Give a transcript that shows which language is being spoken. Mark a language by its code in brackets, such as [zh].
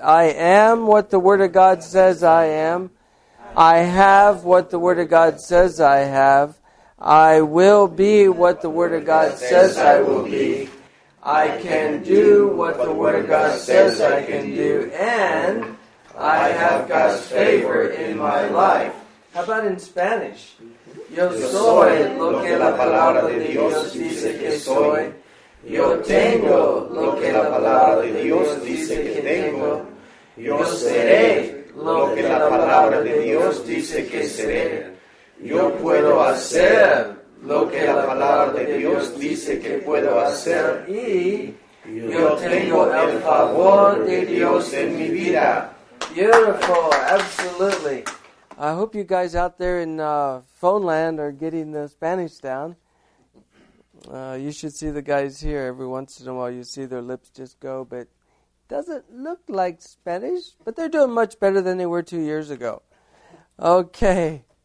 [en] I am what the Word of God says I am. I have what the Word of God says I have. I will be what the Word of God says I will be. I can do what the Word of God says I can do, and I have God's favor in my life. How about in Spanish? [es] Yo soy lo que la palabra de Dios dice que soy. Yo tengo lo que la palabra de Dios dice que tengo. Yo seré lo que la palabra de Dios dice que seré. Yo puedo hacer lo que la palabra de Dios dice que puedo hacer. Y yo tengo el favor de Dios en mi vida. [en] Beautiful, absolutely. I hope you guys out there in phone land are getting the Spanish down. You should see the guys here every once in a while. You see their lips just go, but it doesn't look like Spanish, but they're doing much better than they were 2 years ago. Okay.